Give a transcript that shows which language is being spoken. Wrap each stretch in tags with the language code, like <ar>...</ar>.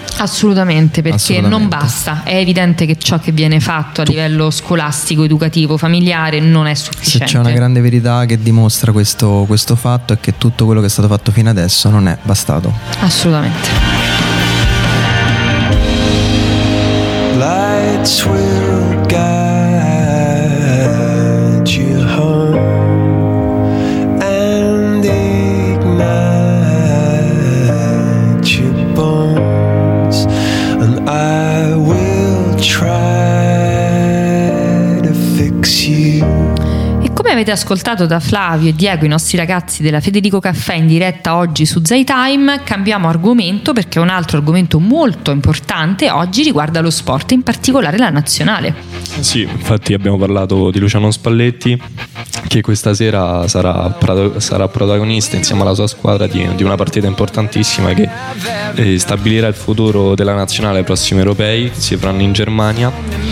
<it>Assolutamente, perché assolutamente. Non basta, è evidente che ciò che viene fatto a livello scolastico, educativo, familiare non è sufficiente. Una grande verità che dimostra questo fatto è che tutto quello che è stato fatto fino adesso non è bastato. Assolutamente.</it> <en>Lights will guide you home and ignite your bones, and I will try to fix you.</en> <it>avete ascoltato da Flavio e Diego, i nostri ragazzi della Federico Caffè in diretta oggi su Zaytime, cambiamo argomento perché un altro argomento molto importante oggi riguarda lo sport, in particolare la nazionale. Sì, infatti abbiamo parlato di Luciano Spalletti, che questa sera sarà protagonista insieme alla sua squadra di una partita importantissima che stabilirà il futuro della nazionale ai prossimi europei, si avranno in Germania.</it>